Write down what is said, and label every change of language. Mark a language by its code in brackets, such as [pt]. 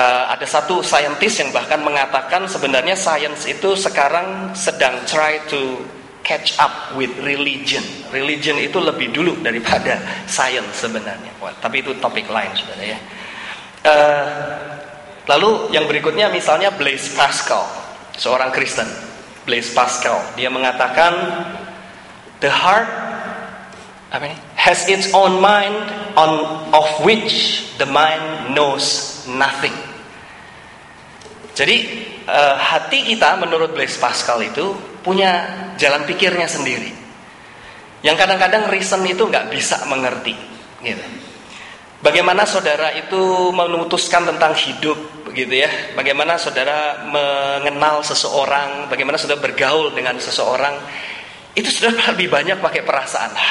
[id] Ada satu saintis yang bahkan mengatakan sebenarnya sains itu sekarang sedang [en] try to catch up with religion. [id] Religion itu lebih dulu daripada sains sebenarnya. Wah, tapi itu topik lain sebenarnya ya. Lalu yang berikutnya misalnya Blaise Pascal. Seorang Kristen, [en] Blaise Pascal, [id] dia mengatakan, [en] the heart has its own mind on of which the mind knows nothing. [id] Jadi hati kita menurut Blaise Pascal itu punya jalan pikirnya sendiri, yang kadang-kadang reason itu nggak bisa mengerti. Gitu. Bagaimana saudara itu memutuskan tentang hidup? Gitu ya, bagaimana saudara mengenal seseorang, bagaimana saudara bergaul dengan seseorang, itu saudara lebih banyak pakai perasaan.